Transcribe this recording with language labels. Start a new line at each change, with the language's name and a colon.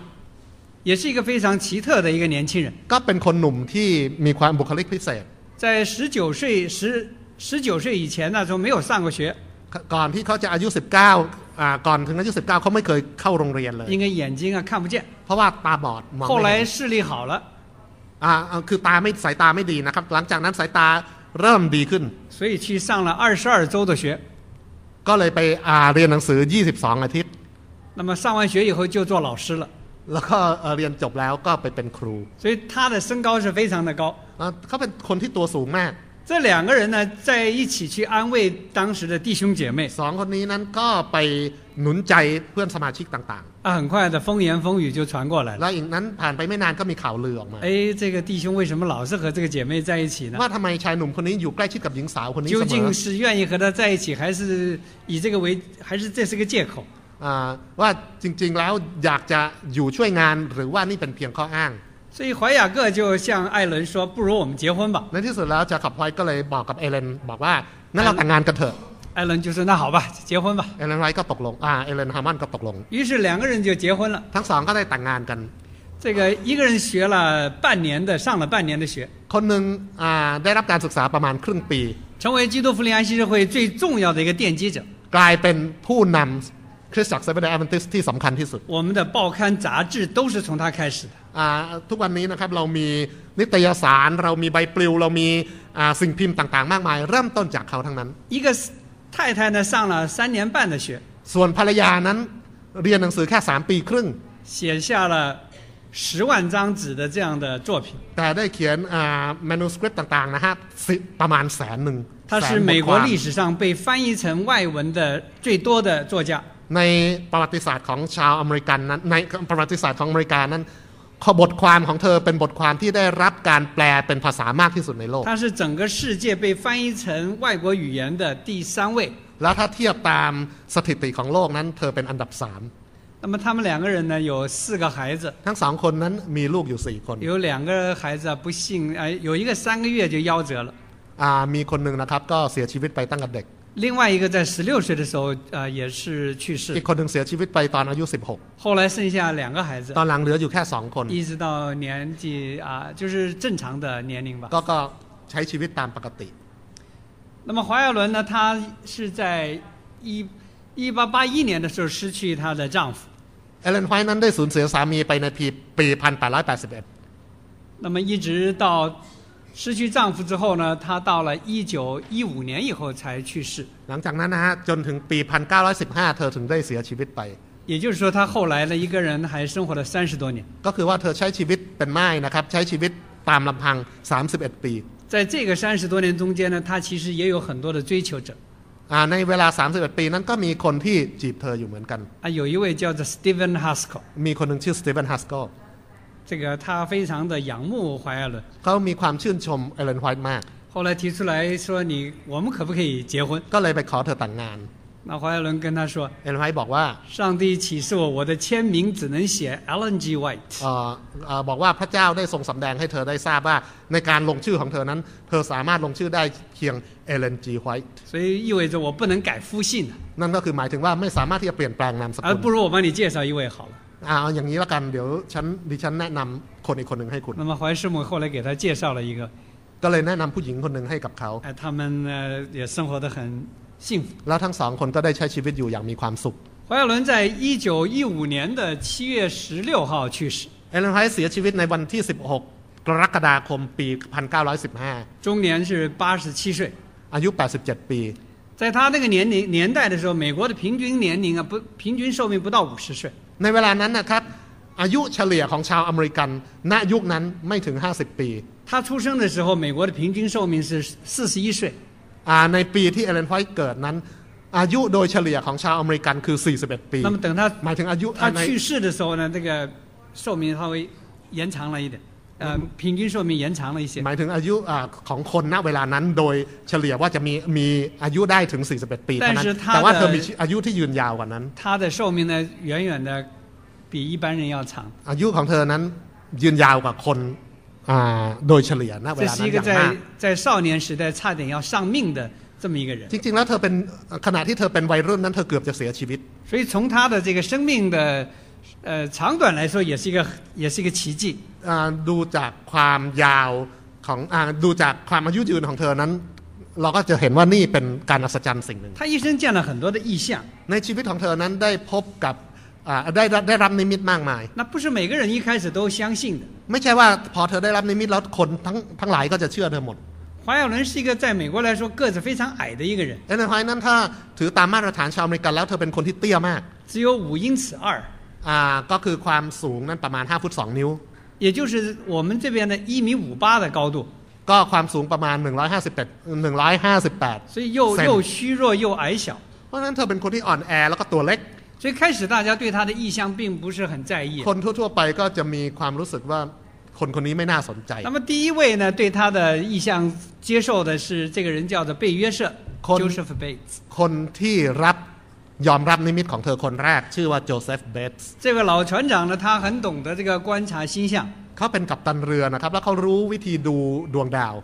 Chinese: 也是一个非常奇特的一个年轻人
Thai: ก็เป็นคนหนุ่มที่มีความบุคลิกพิเศษ
Chinese: 在19岁以前那时候没有上过学
Thai: ก่อนที่เขาจะอายุ19ก่อนถึงอายุ19เขาไม่เคยเข้าโรงเรียนเลย
Chinese: 应该眼睛啊看不见
Thai: เพราะว่าตาบอดมองไม่เห็น
Chinese: 后来视力好了
Thai: คือตาไม่สายตาไม่ดีนะครับหลังจากนั้นสายตาเริ่มดีขึ้น
Chinese: 所以去上了22周的学
Thai: ก็เลยไปเรียนหนังสือ22อาทิตย์
Chinese: 那么上完学以后就做老师了
Thai: แล้วก็เรียนจบแล้วก็ไปเป็นครู
Chinese: 所以他的身高是非常的高
Thai: เขาเป็นคนที่ตัวสูงมาก
Chinese: 这两个人呢在一起去安慰当时的弟兄姐妹
Thai: 2คนนี้นั้นก็ไปหนุนใจเพื่อนสมาชิกต่าง
Chinese: ๆ很快的风言风语就传过来
Thai: 了แล้วอีกนั้นผ่านไปไม่นานก็มีข่าวลือออกมา
Chinese: 哎这个弟兄为什么老是和这个姐妹在一起呢
Thai: ว่าทำไมชายหนุ่มคนนี้อยู่ใกล้ชิดกับหญิงสาวคนนี้
Chinese: 究竟是愿意和她在一起还是以这个为还是这是个借口
Thai: ว่าจริงๆแล้วอยากจะอยู่ช่วยงานหรือว่านี่เป็นเพียงข้ออ้าง
Chinese: 所以怀雅各就向艾伦说不如我们结婚吧
Thai: ในที่สุดแล้วจาคอบไวท์ก็เลยบอกกับเอเลนบอกว่างั้นเราแต่งงานกันเถอะ
Chinese: ไอรอน就说那好吧结婚吧
Thai: เอเลนไวท์ก็ตกลงเอเลนฮาร์มันก็ตกลง
Chinese: 于是两个人就结婚了
Thai: ทั้งสองก็ได้แต่งงานกัน
Chinese: 这个一个人学了半年的上了半年的学
Thai: คนหนึ่งได้รับการศึกษาประมาณครึ่งปี
Chinese: 成为基督福临安息日会最重要的一个奠基者
Thai: กลายเป็นผู้นำคริสตจักรเซเว่นเดย์แอดเวนทิสต์ที่สำคัญที่สุด
Chinese: 我们的报刊杂志都是从他开始的
Thai: ทุกวันนี้นะครับเรามี นิตยสารเรามีใบปลิวเรามีสิ่งพิมพ์ต่างๆมากมายเริ่มต้นจากเขาทั้งนั้น
Chinese: 一个太太呢上了三年半的学
Thai: ส่วนภรรยานั้นเรียนหนังสือแค่3ปีครึ่ง
Chinese: 写下了十万张纸的这样的作品
Thai: แต่ได้เขียนmanuscript ต่างๆนะฮะประมาณแสนหนึ่ง
Chinese: 他是美国历史上被翻译成外文的最多的作家
Thai: ในประวัติศาสตร์ของชาวอเมริกันนั้นในประวัติศาสตร์ของอเมริกานั้นบทความของเธอเป็นบทความที่ได้รับการแปลเป็นภาษามากที่สุดในโลก
Chinese: 它是整个世界被翻译成外国语言的第三位
Thai: และถ้าเทียบตามสถิติของโลกนั้นเธอเป็นอันดับ3
Chinese: 那么他们两个人呢有四个孩子
Thai: ทั้ง2คนนั้นมีลูกอยู่4คน
Chinese: 有两个孩子不幸有一个三个月就夭折了
Thai: มีคนนึงนะครับก็เสียชีวิตไปตั้งแต่เด็ก
Chinese: 另外一个在16岁的时候也是去世
Thai: อีกคนนึงเสียชีวิตไปตอนอายุ16
Chinese: 后来剩下两个孩子
Thai: ตอนหลังเหลืออยู่แค่2คน
Chinese: 一直到年纪就是正常的年龄吧
Thai: ก็ใช้ชีวิตตามปกติ
Chinese: 那么华耀伦呢他是在1881年的时候失去他的丈夫
Thai: เอเลนไฟนั้นได้สูญเสียสามีไปในปี1881
Chinese: 那么一直到失去丈夫之后呢她到了1915年以后才去世
Thai: หลังจากนั้นนะฮะจนถึงปี1915เธอถึงได้เสียชีวิตไป
Chinese: 也就是说她后来的一个人还生活了30多年
Thai: ก็คือว่าเธอใช้ชีวิตเป็นม่ายนะครับใช้ชีวิตตามลำพัง31ปี
Chinese: 在这个30多年中间呢她其实也有很多的追求者
Thai: ในเวลา31ปีนั้นก็มีคนที่จีบเธออยู่เหมือนกัน
Chinese: อ่ะ有一位叫做 Steven Haskell
Thai: มีคนนึงชื่อ Steven Haskell
Chinese: 这个他非常的仰慕怀尔伦
Thai: เขามีความชื่นชมเอเลนไวท์มาก
Chinese: 后来提出来说你我们可不可以结婚
Thai: ก็เลยไปขอเธอแต่งงาน แล้ว
Chinese: 怀尔伦跟他说
Thai: เอเลนไวท์บอกว่า
Chinese: 上帝启示我的签名只能写 Ellen G. White
Thai: บอกว่าพระเจ้าได้ทรงสำแดงให้เธอได้ทราบว่าในการลงชื่อของเธอนั้นเธอสามารถลงชื่อได้เพียง Ellen G. White
Chinese: 所以意味着我不能改夫姓
Thai: นั่นก็คือหมายถึงว่าไม่สามารถที่จะเปลี่ยนแปลงนามสกุล
Chinese: 不如我帮你介绍一位好了
Thai: อย่างนี้ละกันเดี๋ยวดิฉันแนะนำคนอีกคนหนึ่งให้คุณ
Chinese: 那么怀师母后来给他介绍了一个
Thai: ก็เลยแนะนำผู้หญิงคนหนึ่งให้กับเขา
Chinese: 他们也生活得很幸福
Thai: แล้วทั้งสองคนก็ได้ใช้ชีวิตอยู่อย่างมีความสุข
Chinese: 怀伦在1915年的7月16号去世
Thai: เอเลนไวท์เสียชีวิตในวันที่16กรกฎาคมปี1915
Chinese: 终年是87岁
Thai: อายุ87ปี
Chinese: 在他那个年代的时候美国的平均年龄不平均寿命不到50岁
Thai: ในเวลานั้นนะครับอายุเฉลี่ยของชาวอเมริกันณยุคนั้นไม่ถึง50ปี
Chinese: 他出生的时候美国的平均寿命是41岁
Thai: ในปีที่เอเลนไวท์เกิดนั้นอายุโดยเฉลี่ยของชาวอเมริกันคือ41ปี นั่นห มายถึงอายุ ถ้า
Chinese: 去世的时候呢这个寿命稍微延长了一点平均寿命延长了一些
Thai: หมายถึงอายุของคนณเวลานั้นโดยเฉลี่ยว่าจะมีอายุได้ถึง41ปีเท่านั้นแต่ว่าเธอมีอายุที่ยืนยาวกว่านั้น
Chinese: 他的寿命呢远远的比一般人要长
Thai: อายุของเธอนั้นยืนยาวกว่าคนโดยเฉลี่ยณเวลานั้น เป็นคนที่
Chinese: 在少年时代差点要丧命的这么一个人
Thai: จริงๆแล้วเธอเป็นขณะที่เธอเป็นวัยรุ่นนั้นเธอเกือบจะเสียชีวิต
Chinese: 所以从他的这个生命的长短来说也是一个奇迹
Thai: ดูจากความยาวของดูจากความอายุยืนของเธอนั้นเราก็จะเห็นว่านี่เป็นการอัศจรรย์สิ่งหนึ่ง
Chinese: 他一生见了很多的异象
Thai: ในชีวิตของเธอนั้นได้พบกับได้รับนิมิตมากมาย
Chinese: 那不是每个人一开始都相信的
Thai: ไม่ใช่ว่าพอเธอได้รับนิมิตแล้วคนทั้งหลายก็จะเชื่อเธอหมด
Chinese: 怀尔伦是一个在美国来说个子非常矮的一个人
Thai: เอเลนไวท์นั้นถ้าถือตามมาตรฐานชาวอเมริกันแล้วเธอเป็นคนที่เตี้ยมาก
Chinese: 只有五英尺二
Thai: ก็คือความสูงนั้นประมาณ5ฟุต2นิ้ว
Chinese: 也就是我们这边的一米五八的高度
Thai: ก็ความสูงประมาณ158
Chinese: 所以又虚弱又矮小
Thai: เพราะนั้นเธอเป็นคนที่อ่อนแอแล้วก็ตัวเล็ก
Chinese: 所以开始大家对他的意向并不是很在意
Thai: คนทั่วๆไปก็จะมีความรู้สึกว่าคนคนนี้ไม่น่าสนใจ
Chinese: 那么第一位呢对他的意向接受的是这个人叫做贝约瑟 Joseph Bates
Thai: คนที่รับยอมรับนิมิตของเธอคนแรกชื่อว่าโจเซฟเบตส์
Chinese: 这位老船长呢他很懂得这个观察星象
Thai: เขาเป็นกัปตันเรือนะครับแล้วเขารู้วิธีดูดวงดาว